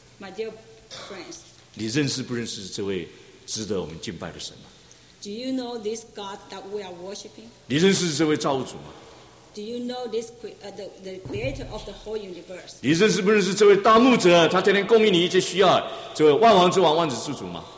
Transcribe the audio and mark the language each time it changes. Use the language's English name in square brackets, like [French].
[English] ，My dear friends， [Chinese] 你认识不认识这位值得我们敬拜的神吗 [English] ？Do you know this God that we are worshiping？ [Chinese] 你认识这位造物主吗 [English] ？Do you know this the creator of the whole universe？ [Chinese] 你认识不认识这位大牧者？他天天供应你一切需要，这位万王之王、万子之主吗？